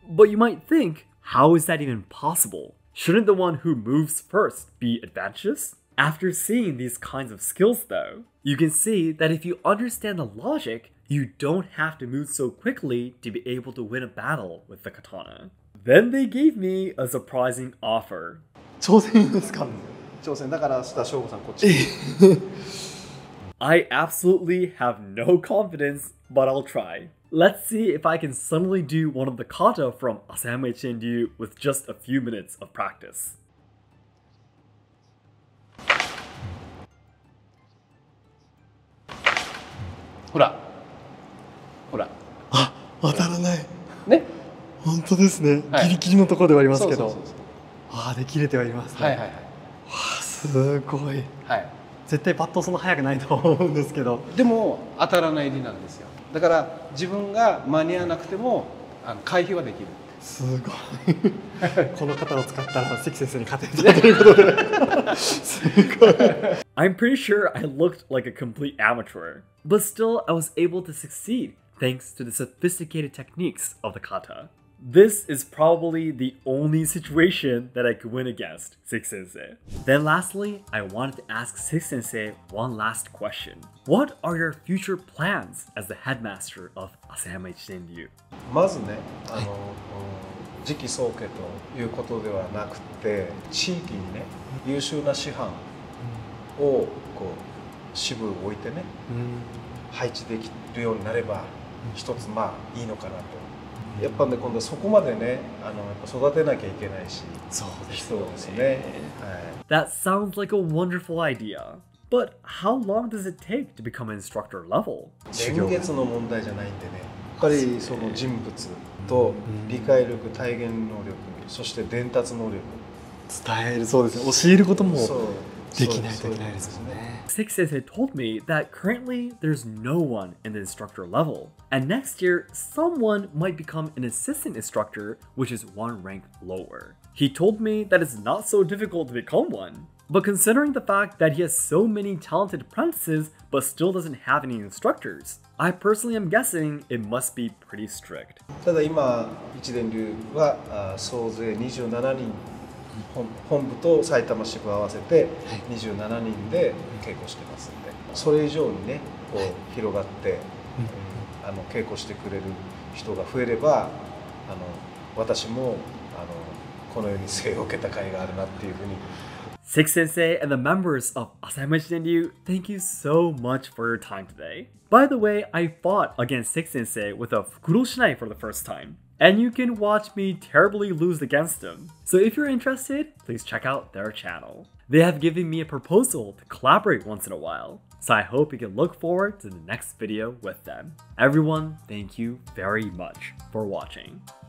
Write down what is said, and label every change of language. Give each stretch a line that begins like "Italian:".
English: But you might think, how is that even possible? Shouldn't the one who moves first be advantageous? After seeing these kinds of skills though, you can see that if you understand the logic, you don't have to move so quickly to be able to win a battle with the katana. Then they gave me a surprising offer.
Japanese: 挑戦ですか？挑戦だから、したショウゴさんこっち。
English: I absolutely have no confidence, but I'll try. Let's see if I can suddenly do one of the kata from Asayama Ichidenryu with just a few minutes of practice.
Japanese: ほら。ほら。あ、当たらない。ね。本当ですね、はい、ギリギリのところではありますけど、ああで切れてはいますね、はいはいはい、わあすごい、はい、絶対パッとそんな速くないと思うんですけど、でも当たらない理なんですよ。だから自分が間に合わなくても、はい、あの回避はできる。すごいこの方を使ったら関先生に勝てるということで、すごい。
English: I'm pretty sure I looked like a complete amateur, but still I was able to succeed thanks to the sophisticated techniques of the kata. This is probably the only situation that I could win against, Six-sensei. Then lastly, I wanted to ask Six-sensei one last question. What are your future plans as the headmaster of Asayama Ichidenryu?
Japanese: まずね、あの、次期宗家ということではなくて、地域にね、優秀な師範をこう支部を置いてね、配置できるようになれば、一つまあいいのかなと。やっぱね、今度そこまでね、あのやっぱ育てなきゃいけないし、そうですね。そうですね。は
English: い。That sounds like a wonderful idea. But how long does it take to become instructor level?
Japanese: 年月の問題じゃないんでね。やっぱりその人物と理解力、体現能力、そして伝達能力。伝える、そうですね。教えることもできないといけないですね。
English: Six sensei told me that currently there's no one in the instructor level, and next year someone might become an assistant instructor, which is one rank lower. He told me that it's not so difficult to become one, but considering the fact that he has so many talented apprentices but still doesn't have any instructors, I personally am guessing it must be pretty strict.
Japanese: ただ今Ichidenryuは総勢27人本部と埼玉支部合わせて27人で稽古してますんで、それ以上にねこう広がって、あの稽古してくれる人が増えれば、あの私もあのこの世に生を受けた甲斐があるなっていうふうに。
English: Six Sensei and the members of Asayama Ichidenryu, thank you so much for your time today. By the way, I fought against Six Sensei with a fukuro-shinai for the first time, and you can watch me terribly lose against him. So if you're interested, please check out their channel. They have given me a proposal to collaborate once in a while, so I hope you can look forward to the next video with them. Everyone, thank you very much for watching.